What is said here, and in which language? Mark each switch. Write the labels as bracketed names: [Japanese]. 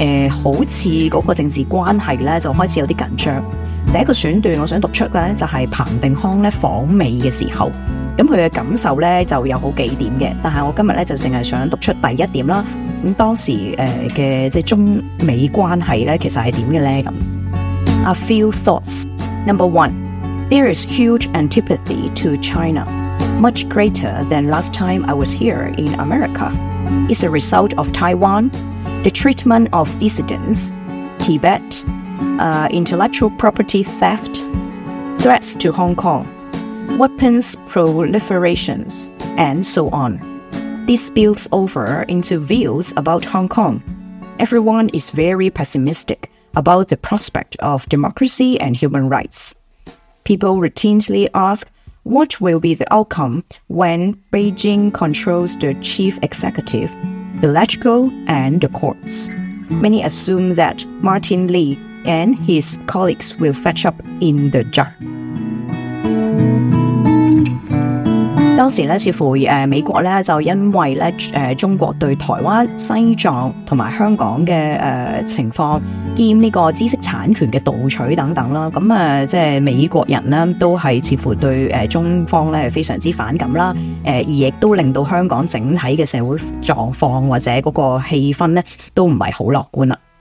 [Cantonese] 好似嗰个政治关系咧就开始有啲紧张。第一个选段我想读出咧就系、是、彭定康咧访美嘅时候，咁佢嘅感受咧就有好几点嘅，但系我今日咧就净系想读出第一点啦。咁当时嘅即系中美关系咧，其实系点嘅咧？ [English] 咁 a few thoughts. Number one, there is huge antipathy to China. Much greater than last time I was here in America. It's a result of Taiwan, the treatment of dissidents, Tibet, intellectual property theft, threats to Hong Kong, weapons proliferations, and so on. This spills over into views about Hong Kong. Everyone is very pessimistic about the prospect of democracy and human rights. People routinely ask,What will be the outcome when Beijing controls the chief executive, the legislature, and the courts? Many assume that Martin Lee and his colleagues will fetch up in the jar. [Cantonese] 当时咧，似乎美国咧就因为咧中国对台湾、西藏同埋香港嘅情况，兼呢个知识产权嘅盗取等等啦，咁即系美国人咧都系似乎对中方咧非常之反感啦，而亦都令到香港整体嘅社会状况或者嗰个气氛咧都唔系好乐观啦。